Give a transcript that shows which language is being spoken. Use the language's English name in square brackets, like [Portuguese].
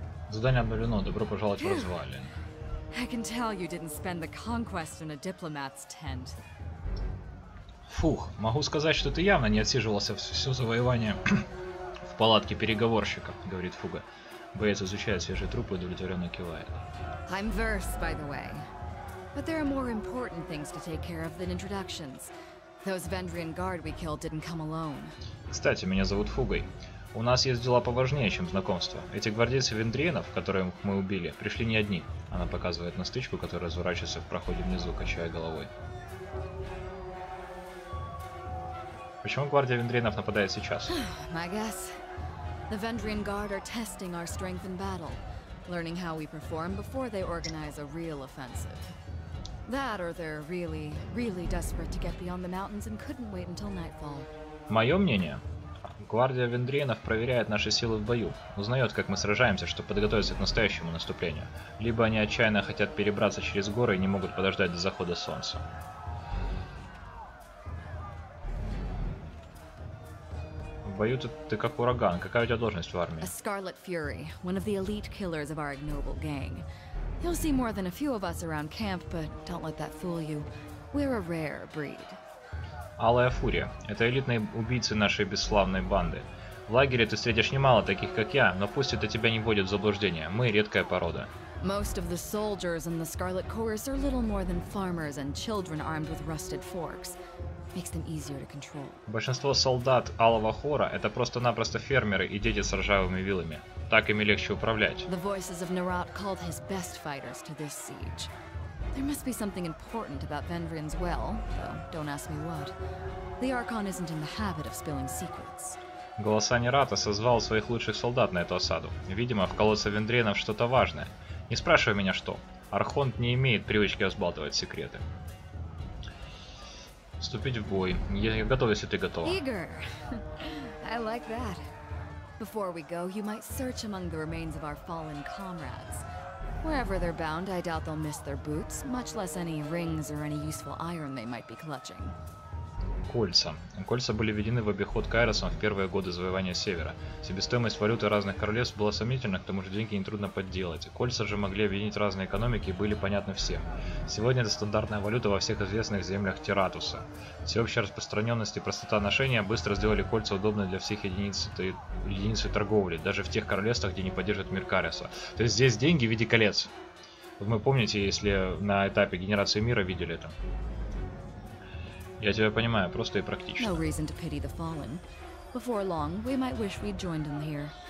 [Russian] Задание обновлено. Добро пожаловать в развалин. [English] I can tell you didn't spend the conquest in a diplomat's tent. [Russian] Фух, могу сказать, что ты явно не отсиживался все завоевание в палатке переговорщика, говорит Фуга. Боец изучает свежие трупы и удовлетворенно кивает. [English] I'm versed, by the way. But there are more important things to take care of than introductions. Those Vendrian guard we killed didn't come alone. [Russian] Кстати, меня зовут Фугой. У нас есть дела поважнее, чем знакомство. Эти гвардейцы вендриенов, которые мы убили, пришли не одни. Она показывает на стычку, которая разворачивается в проходе внизу, качая головой. Почему гвардия вендриенов нападает сейчас? [English] My guess. The Vendrian Guard are testing our strength in battle, learning how we perform before they organize a real offensive. That or they're really, really desperate to get beyond the mountains and couldn't wait until nightfall. [Russian] Мое мнение. Гвардия вендриенов проверяет наши силы в бою, узнает, как мы сражаемся, чтобы подготовиться к настоящему наступлению. Либо они отчаянно хотят перебраться через горы и не могут подождать до захода солнца. В бою ты как ураган. Какая у тебя должность в армии? [English] Scarlet Fury, one of the elite killers of our ignoble gang. You'll see more than a few of us around camp, but don't let that fool you. We're a rare breed. [Russian] Алая Фурия. Это элитные убийцы нашей бесславной банды. В лагере ты встретишь немало таких, как я, но пусть это тебя не вводит в заблуждение. Мы редкая порода. [English] Most of the soldiers in the Scarlet Chorus are little more than farmers and children armed with rusted forks. Makes them easier to control. [Russian] Большинство солдат Алого Хора — это просто-напросто фермеры и дети с ржавыми вилами. Так ими легче управлять. [English] The voices of Narat called his best fighters to this siege. There must be something important about Vendrian's well, though don't ask me what. The Archon isn't in the habit of spilling secrets. [Russian] Голоса Нерата созвал своих лучших солдат на эту осаду. Видимо, в колодце вендриенов что-то важное. Не спрашивай меня что. Архонт не имеет привычки разбалтывать секреты. Вступить в бой. Я готов, если ты готова. [English] Eager. I like that. Before we go, you might search among the remains of our fallen comrades. Wherever they're bound, I doubt they'll miss their boots, much less any rings or any useful iron they might be clutching. [Russian] Кольца. Кольца были введены в обиход Кайросом в первые годы завоевания Севера. Себестоимость валюты разных королевств была сомнительна, к тому же деньги нетрудно подделать. Кольца же могли объединить разные экономики и были понятны всем. Сегодня это стандартная валюта во всех известных землях Тиратуса. Всеобщая распространенность и простота ношения быстро сделали кольца удобны для всех единиц торговли, даже в тех королевствах, где не поддержат мир Кайроса. То есть здесь деньги в виде колец. Вы помните, если на этапе генерации мира видели это? Я тебя понимаю, просто и практично. [English] No reason to pity the fallen. Before long, we might wish we'd joined them here.